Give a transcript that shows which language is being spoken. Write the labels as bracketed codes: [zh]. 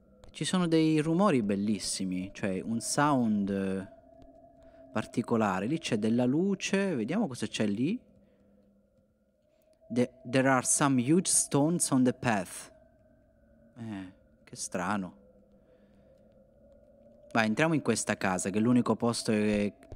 [it] Ci sono dei rumori bellissimi, cioè un sound particolare. Lì c'è della luce, vediamo cosa c'è lì. [en] There are some huge stones on the path. [it] Che strano. Vai, entriamo in questa casa, che è l'unico posto che...